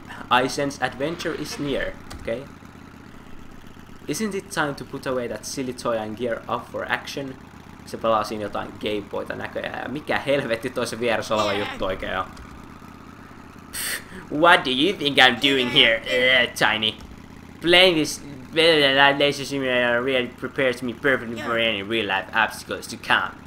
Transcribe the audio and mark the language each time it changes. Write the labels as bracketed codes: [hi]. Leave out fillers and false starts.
[en] I sense adventure is near, okay? Isn't it time to put away that silly toy and gear up for action? [fi] Se pelaa siinä jotain Game Boyta näköjään, ja mikä helvetti toi se vieressä oleva juttu oikein on? [en] What do you think I'm doing here, Tiny? Playing this laser simulator really prepares me perfectly for any real life obstacles to come.